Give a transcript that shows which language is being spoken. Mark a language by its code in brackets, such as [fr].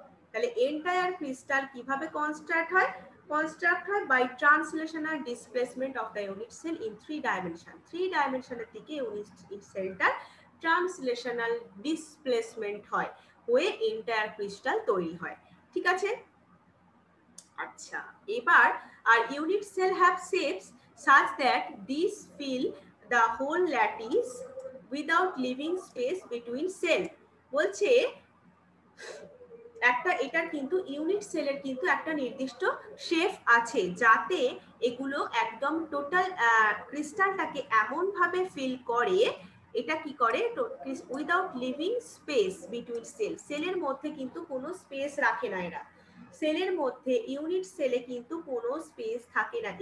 [bn] তাহলে entire crystal কিভাবে construct হয়, কনস্ট্রাক্ট হয় [en] By translational displacement of the unit cell in three dimension. [bn] Three ডাইমেনশনের দিকে ইউনিট সেলটার ট্রান্সলেশনাল ডিসপ্লেসমেন্ট হয়, হয়ে এন্টায়ার ক্রিস্টাল তৈরি হয়, ঠিক আছে। আচ্ছা, এবার [en] আর unit cell have shapes such that these fill the whole lattice without leaving space between cell. [bn] বলছে একটা, এটা কিন্তু ইউনিট সেলের কিন্তু একটা নির্দিষ্ট শেপ আছে যাতে এগুলো একদম টোটাল ক্রিস্টালটাকে এমন ভাবে ফিল করে, এটা কি করে, [en] without leaving space between cell, [bn] সেলের মধ্যে কিন্তু কোনো স্পেস রাখে না এরা, সেলের মধ্যে ইউনিট সেলে কিন্তু কোনো স্পেস থাকে না।